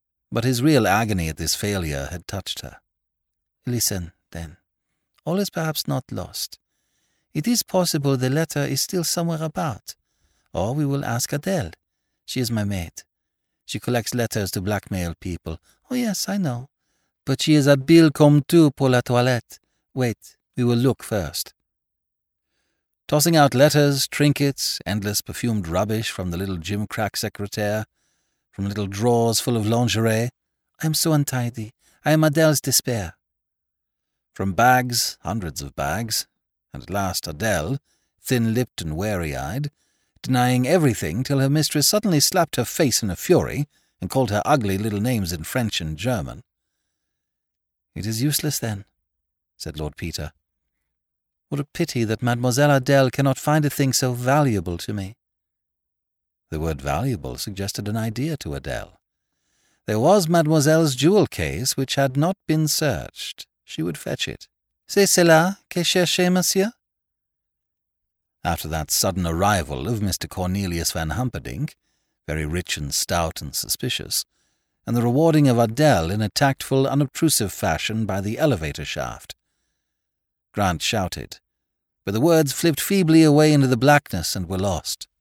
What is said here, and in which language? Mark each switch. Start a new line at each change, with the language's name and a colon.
English: But his real agony at this failure had touched her. "Listen, then. All is perhaps not lost. It is possible the letter is still somewhere about. Or we will ask Adele. She is my maid. She collects letters to blackmail people." "Oh yes, I know. But she is
French: habile comme tout pour la toilette.
English: Wait, we will look first." Tossing out letters, trinkets, endless perfumed rubbish from the little gimcrack secretaire, from little drawers full of lingerie. "I am so untidy. I am Adele's despair." From bags, hundreds of bags, and at last Adele, thin-lipped and wary-eyed, denying everything till her mistress suddenly slapped her face in a fury and called her ugly little names in French and German. "It is useless, then," said Lord Peter. "What a pity that Mademoiselle Adele cannot find a thing so valuable to me." The word valuable suggested an idea to Adele. There was Mademoiselle's jewel case, which had not been searched. She would fetch it.
French: "C'est cela que cherchez, monsieur?"
English: After that sudden arrival of Mr. Cornelius Van Humperdinck, very rich and stout and suspicious, and the rewarding of Adele in a tactful, unobtrusive fashion by the elevator shaft. Grant shouted, but the words flipped feebly away into the blackness and were lost.